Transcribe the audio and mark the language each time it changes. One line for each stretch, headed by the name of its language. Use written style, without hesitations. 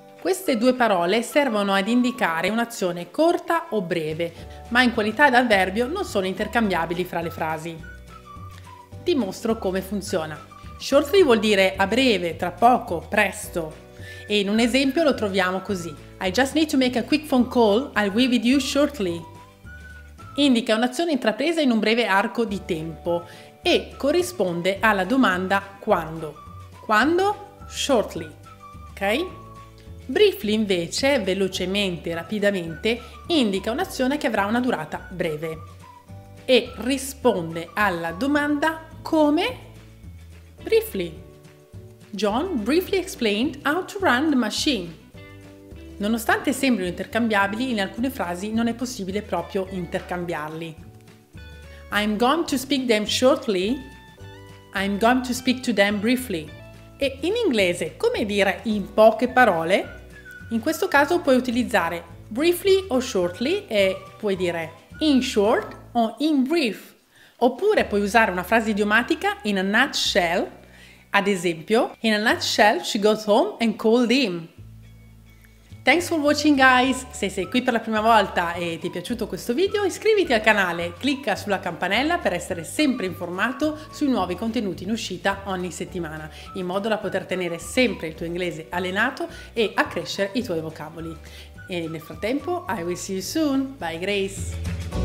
Italian: Queste due parole servono ad indicare un'azione corta o breve, ma in qualità d'avverbio non sono intercambiabili fra le frasi. Ti mostro come funziona. Shortly vuol dire a breve, tra poco, presto. E in un esempio lo troviamo così.
English: I just need to make a quick phone call, I'll be with you shortly.
Italian: Indica un'azione intrapresa in un breve arco di tempo e corrisponde alla domanda quando. Quando? Shortly. Ok? Briefly invece, velocemente, rapidamente, indica un'azione che avrà una durata breve e risponde alla domanda come?
English: Briefly. John briefly explained how to run the machine.
Italian: Nonostante sembrino intercambiabili, in alcune frasi non è possibile proprio intercambiarli.
English: I'm going to speak them shortly. I'm going to speak to them briefly.
Italian: E in inglese, come dire in poche parole? In questo caso puoi utilizzare briefly o shortly e puoi dire in short o in brief. Oppure puoi usare una frase idiomatica in a nutshell. Ad esempio,
English: in a nutshell she goes home and called him. Thanks for watching guys!
Italian: Se sei qui per la prima volta e ti è piaciuto questo video, iscriviti al canale, clicca sulla campanella per essere sempre informato sui nuovi contenuti in uscita ogni settimana, in modo da poter tenere sempre il tuo inglese allenato e accrescere i tuoi vocaboli. E nel frattempo,
English: I will see you soon! Bye Grace!